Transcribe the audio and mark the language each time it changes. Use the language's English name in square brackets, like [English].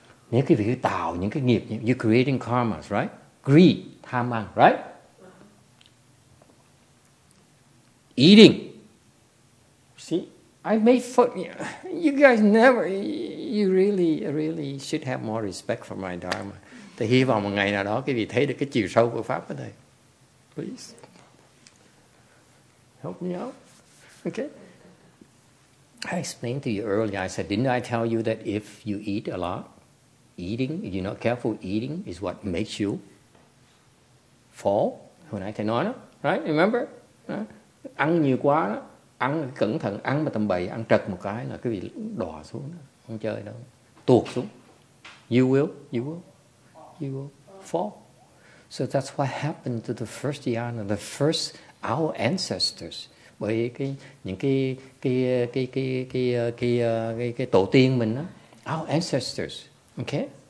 [Vietnamese] Nếu quý vị tạo những cái nghiệp, [English] you're creating karmas, right? Greed, [Vietnamese] tham ăn, right? [English] Eating. See, I made fun. You guys never. You really, really should have more respect for my dharma. [Vietnamese] Thì hy vọng một ngày nào đó quý vị thấy được cái chiều sâu của pháp ở đây. [English] Please help me out. Okay. I explained to you earlier. I said, didn't I tell you that if you eat a lot, eating, if you're not careful, eating is what makes you fall. [Vietnamese] Hồi nãy thầy nói đó, [English] right? Remember? [Vietnamese] Ăn nhiều quá đó. Ăn cẩn thận, ăn mà tầm bậy, ăn trật một cái là cái gì đò xuống, không chơi đâu, tuột xuống. [English] You will fall. So that's what happened to the first dhyana, the first our ancestors. [Vietnamese] Bởi cái những cái tổ tiên mình đó, [English] our ancestors, [Vietnamese] okay?